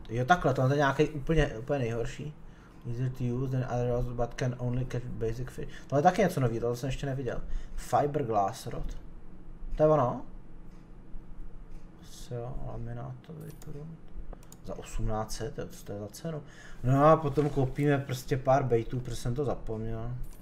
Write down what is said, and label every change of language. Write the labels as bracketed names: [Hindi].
[Czech] Jo takhle, to je nějaký úplně nejhorší. [English] Easy to use, then other rods, but can only catch basic fish. [Czech] Tohle je taky něco nový, tohle jsem ještě neviděl. Fiberglass rod. To je ono. Jo, laminátový prut. Za 1800, to je za cenu. No a potom koupíme prostě pár baitů, protože jsem to zapomněl.